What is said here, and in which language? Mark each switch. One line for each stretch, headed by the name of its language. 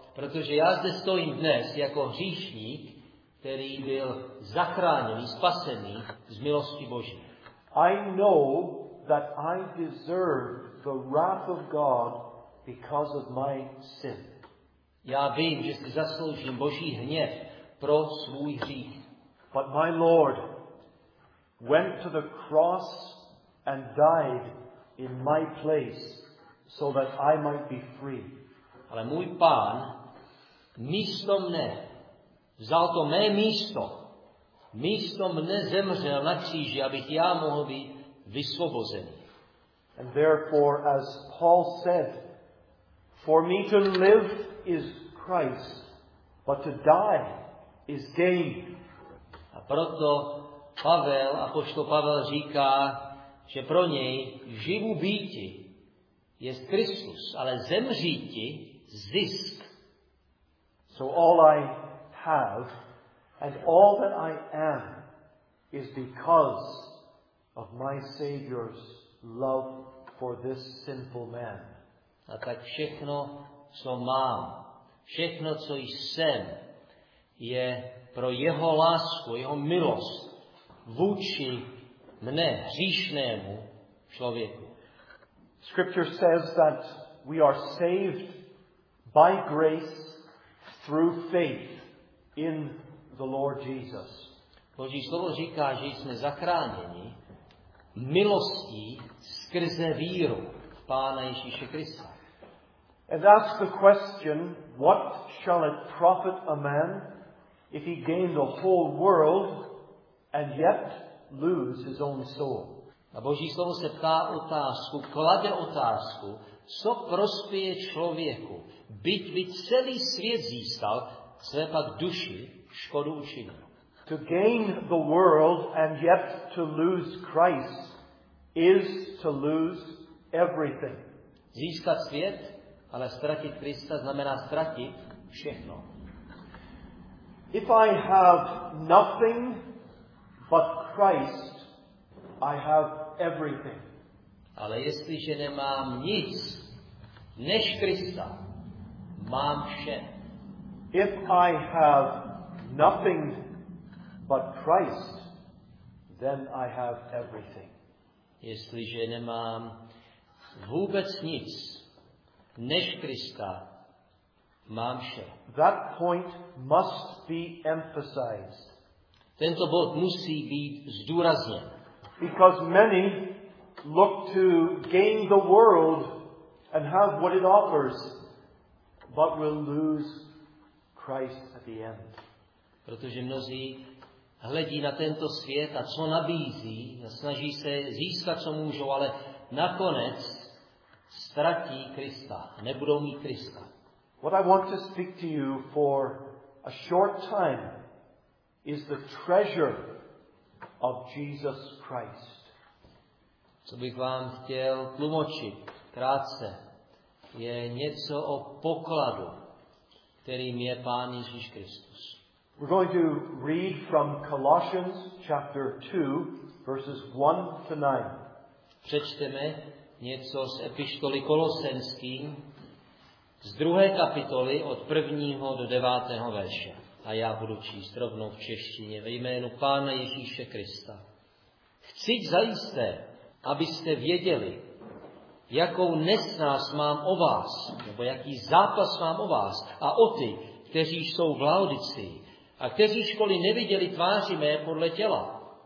Czech: Protože já zde stojím dnes jako hříšník, který byl zachráněný, spasený z milosti Boží.
English: I know that I deserve the wrath of God because of my sin.
Czech: Já vím, že si zasloužím Boží hněv pro svůj hřích.
English: But my Lord went to the cross and died in my place so that I might be free.
Czech: Ale můj Pán místo mne vzal to mé místo. Místo mne zemřel na kříži, abych já mohl být vysvobozen.
English: And therefore, as Paul said, for me to live is Christ, but to die is gain.
Czech: A proto Pavel, apoštol Pavel říká, že pro něj živu býti je Kristus, ale zemříti zisk.
English: So all I have and all that I am is because of my Savior's love for this sinful man.
Czech: A tak všechno, co mám, všechno, co jsem, je pro jeho lásku, jeho milost vůči mne, hříšnému člověku.
English: Scripture says that we are saved by grace through faith in the Lord Jesus.
Czech: Boží slovo říká, že jsme zachráněni milostí skrze víru v Pána Ježíše Krista.
English: And ask the question, what shall it profit a man if he gain the whole world and yet lose his own soul?
Czech: A Boží slovo se ptá otázku, klade otázku, co prospěje člověku, byť by celý svět získal, své pak duši škodu učinil.
English: To gain the world and yet to lose Christ is to lose everything.
Czech: Získat svět, ale ztratit Krista, znamená ztratit všechno.
English: If I have nothing but Christ, I have everything.
Czech: Ale jestliže nemám nic než Krista, mám vše.
English: If I have nothing but Christ, then I have everything.
Czech: Jestliže nemám vůbec nic než Krista, mám vše.
English: That point must be emphasized.
Czech: Tento bod musí být zdůrazněn.
English: Because many look to gain the world and have what it offers, but will lose Christ at the end.
Czech: Protože mnozí hledí na tento svět a co nabízí, snaží se získat, co můžou, ale nakonec ztratí Krista, nebudou mít Krista.
English: What I want to speak to you for a short time is the treasure of Jesus Christ.
Czech: Co bych vám chtěl tlumočit krátce, je něco o pokladu, kterým je Pán Ježíš Kristus.
English: We're going to read from Colossians chapter 2, verses 1 to 9.
Czech: Přečteme něco z epištoly Kolosenským z 2. kapitoly od 1. do 9. verše. A já budu číst rovnou v češtině ve jménu Pána Ježíše Krista. Chci zajisté, abyste věděli, jakou nesnás mám o vás, nebo jaký zápas mám o vás a o ty, kteří jsou v Laodicii a kteří školy neviděli tváři mé podle těla.